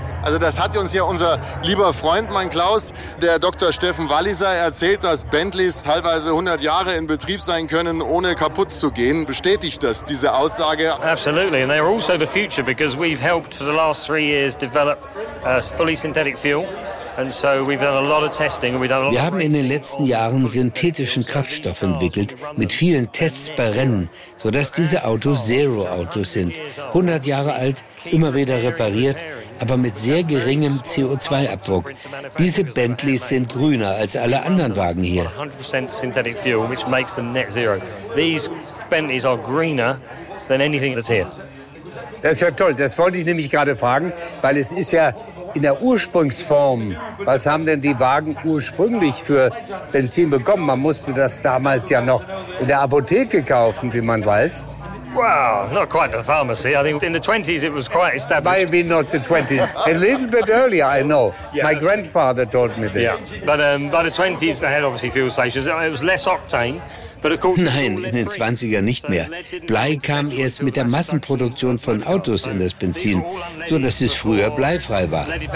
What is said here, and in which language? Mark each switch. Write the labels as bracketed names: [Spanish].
[German] Also das hat uns ja unser lieber Freund, mein Klaus, der Dr. Steffen Walliser, erzählt, dass Bentleys teilweise 100 Jahre in Betrieb sein können, ohne kaputt zu gehen. Bestätigt das diese Aussage? [English] Absolutely, and they're also the future, because we've helped for the last 3 years develop a fully synthetic fuel. [German] Wir haben in den letzten Jahren synthetischen Kraftstoff entwickelt, mit vielen Tests bei Rennen, sodass diese Autos Zero-Autos sind. 100 Jahre alt, immer wieder repariert, aber mit sehr geringem CO2-Abdruck. Diese Bentleys sind grüner als alle anderen Wagen hier. [English] 100% synthetic fuel, which makes them net zero. These Bentleys are greener than anything that's here. [German] Das ist ja toll, das wollte ich nämlich gerade fragen, weil es ist ja in der Ursprungsform, was haben denn die Wagen ursprünglich für Benzin bekommen? Man musste das damals ja noch in der Apotheke kaufen, wie man weiß. [English] Well, not quite the pharmacy. I think in the 20s it was quite established. Maybe not the 20s. A little bit earlier, I know. Yeah, my grandfather told me this. Yeah. But by the 20s they had obviously fuel stations. It was less octane. [German] Nein, in den 20er nicht mehr. Blei kam erst mit der Massenproduktion von Autos in das Benzin, sodass es früher bleifrei war.